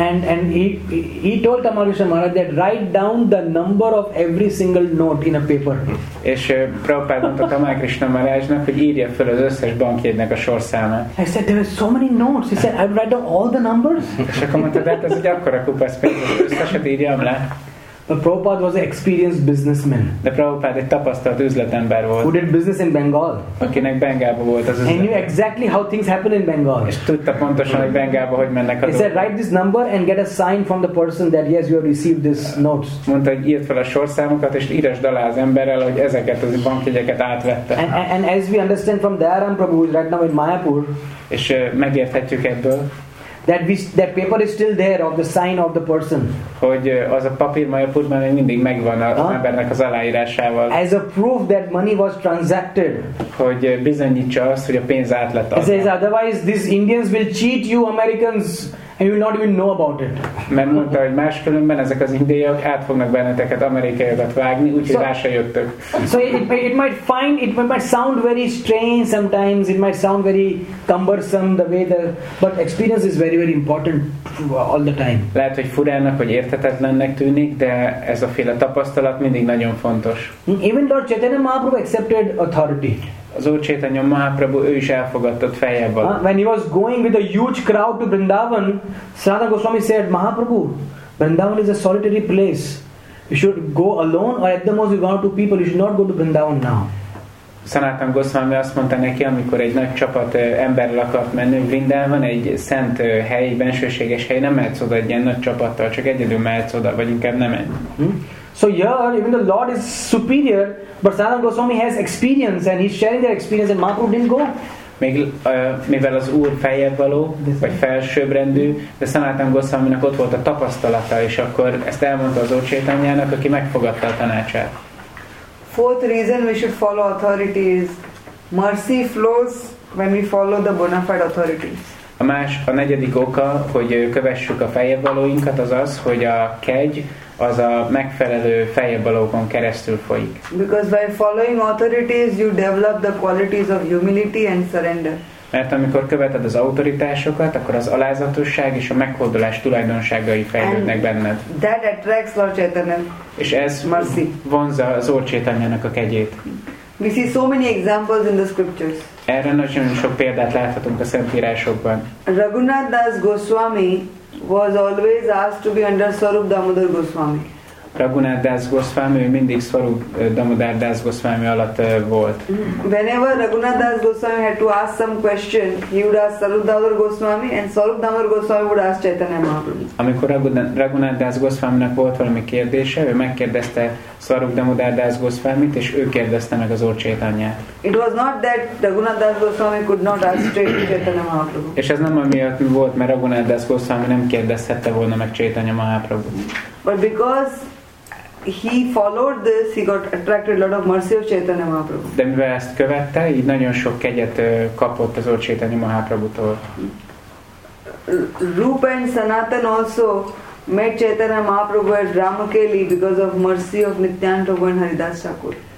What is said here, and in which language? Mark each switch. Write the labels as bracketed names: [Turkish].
[English] And he told Tamalkrishna Maharaj that write down the number of every single note in a paper. [Hungarian] És Prabhupád mondta Tamalkrishna Maharajnak, hogy írja fel az összes bankjegynek a sorszámát. [English] I said, "There were so many notes." He said, "I write down all the numbers." [Hungarian] És akkor mondta, de hát ez egy akkora kupasz pénz, összeset írjam le. [English] But Prabhupada was an experienced businessman. [Hungarian] De Prabhupada egy tapasztalt üzletember volt. [English] Who did business in Bengal? [Hungarian] Akinek Bengálban volt az üzlete. [English] And knew exactly how things happen in Bengal. [Hungarian] És tudta pontosan, hogy Bengálban hogy mennek a dolgok. [English] He said, write this number and get a sign from the person that yes, you have received this note. [Hungarian] Mondta, hogy írd fel a sorszámokat és írd alá az emberrel, hogy ezeket az bankjegyeket átvette. [English] And as we understand from Dayaram Prabhu, who is right now in Mayapur. [Hungarian] És megérthetjük ebből. [English] That paper is still there of the sign of the person. [Hungarian] Hogy az a papír Mayapurban még mindig megvan az embernek az aláírásával. [English] As a proof that money was transacted. [Hungarian] Hogy bizonyítsa azt, hogy a pénz át lett adva. [English] Says otherwise these Indians will cheat you Americans and you will not even know about it. [Hungarian] Mert mondta, hogy máskülönben ezek az indiaiak át fognak benneteket amerikaiakat vágni, úgyhogy rá se jöttök. [English] So it might sound very strange sometimes, it might sound very cumbersome the way the, but experience is very very important all the time. [Hungarian] Lehet, hogy furának, hogy érthetetlennek tűnik, de ez a féle tapasztalat mindig nagyon fontos. [English] Even Lord Chaitanya Mahaprabhu accepted authority. [Hungarian] Az Úr Chaitanya Mahaprabhu, ő is elfogadtott fejjelben. [English] When he was going with a huge crowd to Vrindavan, Sanatana Goswami said, Mahaprabhu, Vrindavan is a solitary place. You should go alone or at the most with one or two people. You should not go to Vrindavan now. [Hungarian] Sanatana Goswami azt mondta neki, amikor egy nagy csapat emberrel akart menni, Vrindavan egy szent hely, bensőséges hely, nem mehetsz oda egy ilyen nagy csapattal, csak egyedül mehetsz oda, vagy inkább nem menj. [English] So here, even the Lord is superior, but Sanatana Goswami has experience and he's sharing their experience and Mahaprabhu didn't go. [Hungarian] Mivel az Úr feljebb való, vagy felsőbbrendű, de Sanatana Goswaminak ott volt a tapasztalata, és akkor ezt elmondta az Úr Chaitanyának, aki megfogadta a tanácsát. [English] Fourth reason we should follow authority is mercy flows when we follow the bona fide authorities. [Hungarian] A negyedik oka, hogy kövessük a feljebb valóinkat, az az, hogy a kegy az a megfelelő feljebb valókon keresztül folyik. [English] Because by following authorities you develop the qualities of humility and surrender. [Hungarian] Mert amikor követed az autoritásokat, akkor az alázatosság és a meghódolás tulajdonságai fejlődnek benned. [English] That attracts Lord Chaitanya. [Hungarian] És ez mercy vonza az Úr Chaitanyának a kegyét. [English] We see so many examples in the scriptures. [Hungarian] Erre nagyon sok példát láthatunk a szentírásokban. [English] Raghunath Das Goswami was always asked to be under Swarup Damodar Goswami. [Hungarian] Raghunath Das Goswami mindig Swarup Damodar Das Goswami alatt volt. [English] Whenever Raghunath Das Goswami had to ask some question, he would ask Swarup Damodar Goswami and Swarup Damodar Goswami would ask Chaitanya Mahaprabhu. [Hungarian] Amikor Raghunath Das Goswaminak volt valami kérdése, ő megkérdezte Swarup Damodar Das Goswamit és ő kérdezte meg az Úr Chaitanyát. [English] It was not that Raghunath Das Goswami could not ask straight to Chaitanya Mahaprabhu. [Hungarian] És ez nem amiatt volt, mert Raghunath Das Goswami nem kérdezhette volna meg Chaitanya Mahaprabhu. [English] But because he followed this, he got attracted a lot of mercy of Chaitanya Mahaprabhu. [Hungarian] De mivel ezt követte, így nagyon sok kegyet kapott az Úr Chaitanya Mahaprabhutól. [English] Rupa and Sanatan also met Chaitanya Mahaprabhu at Ramakeli because of mercy of Nityananda Prabhu and Haridas Thakur.